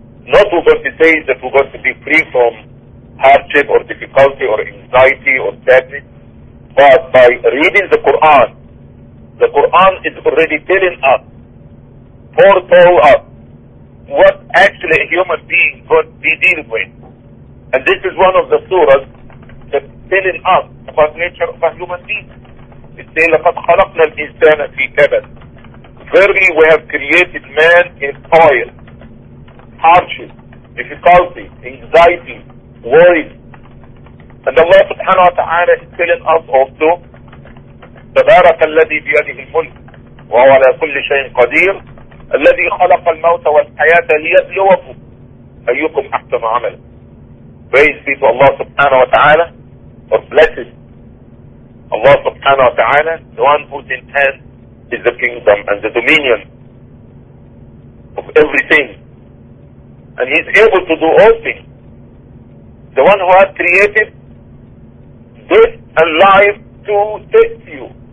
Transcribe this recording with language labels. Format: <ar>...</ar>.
<en>Not we're going to say that we're going to be free from hardship or difficulty or anxiety or sadness, but by reading the Quran is already telling us, foretold us, what actually a human being is going to be dealing with. And this is one of the surahs that's telling us about nature of a human being. It says,</en> <ar>لَقَدْ خَلَقْنَا الْإِنسَانَ فِي كَبَدٍ.</ar> <en>Verily, we have created man in toil, hardship, difficulty, anxiety, worry. And Allah subhanahu wa ta'ala is telling us also,</en> <ar>تَبَارَكَ الَّذِي بِيَدِهِ الْمُلْكِ وَهُوَ عَلَى كُلِّ شَيْءٍ قَدِيرٍ الَّذِي خَلَقَ الْمَوْتَ وَالْحَيَاةَ لِيَبْلُوَكُمْ أَيُّكُمْ أَحْسَنُ عَمَلًا.</ar> <en>Praise be to Allah subhanahu wa ta'ala, or blessed Allah subhanahu wa ta'ala, the one whose intent is the kingdom and the dominion of everything. And he's able to do all things. The one who has created death and life to test you.</en>